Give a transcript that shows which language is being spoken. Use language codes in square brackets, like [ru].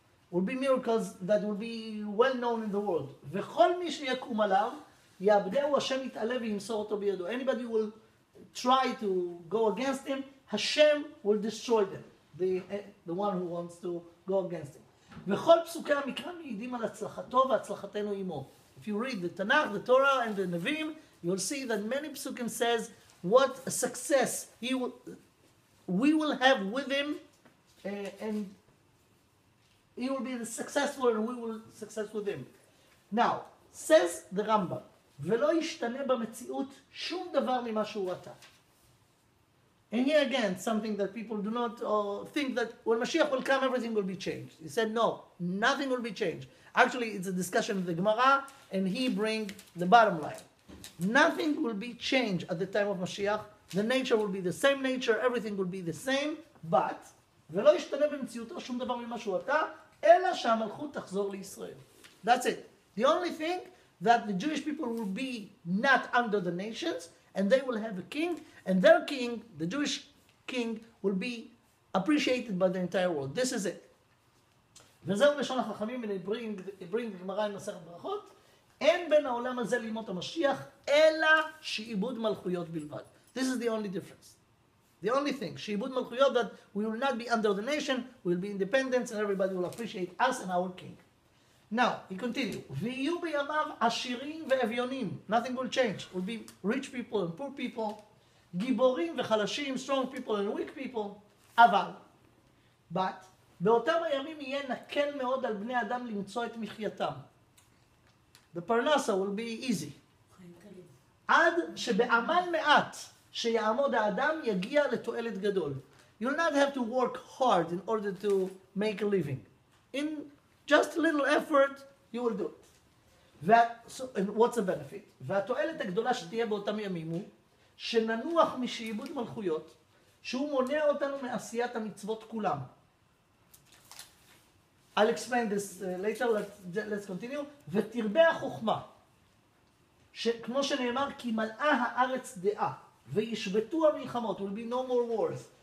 [en] Will be miracles that will be well known in the world. Anybody will try to go against him, Hashem will destroy them, the one who wants to go against him. [he] וכל פסוקי המקרא מעידים על הצלחתו והצלחתנו עמו. [en] If you read the Tanakh, the Torah, and the Nevim, you'll see that many psukim says what a success we will have with him, and he will be successful and we will success with him. Now, says the Rambam, [he] ולא ישתנה במציאות שום דבר ממה שהוא ראתה. [en] And here again, something that people do not think that when Mashiach will come, everything will be changed. He said, no, nothing will be changed. Actually, it's a discussion of the Gemara, and he brings the bottom line. Nothing will be changed at the time of Mashiach. The nature will be the same nature. Everything will be the same. [he] But, ולא ישתנה במציאותו שום דבר ממה שהוא עתה, אלא שהמלכות תחזור לישראל. [en] That's it. The only thing that the Jewish people will be not under the nations, and they will have a king, and their king, the Jewish king, will be appreciated by the entire world. This is it. [he] וזהו לשון החכמים, [en] and they bring the Gemara in [he] מסכת ברכות, אין בין העולם הזה לימות המשיח, אלא שאיבוד מלכויות בלבד. [en] This is the only difference. The only thing, [he] שאיבוד מלכויות, [en] that we will not be under the nation, we will be independent, and everybody will appreciate us and our king. Now, he continued, [he] ויהיו בימיו עשירים ואביונים. [en] Nothing will change. It will be rich people and poor people, [he] גיבורים וחלשים, [en] strong people and weak people, אבל, but, [he] באותם הימים יהיה נקל מאוד על בני אדם למצוא את מחייתם. [en] The parnasa will be easy. [he] עד שבעמל מעט שיעמוד האדם יגיע לתועלת גדול. [en] You'll not have to work hard in order to make a living. In just a little effort, you will do it. And what's the benefit? [he] והתועלת הגדולה שתהיה באותם ימים הוא שננוח משאיבוד מלכויות שהוא מונע אותנו מעשיית המצוות כולם. [en] I'll explain this later, let's continue. [he] ותרבה החוכמה, כמו שנאמר, כי מלאה הארץ דעה, וישבטו המלחמות, [en] will be no more wars.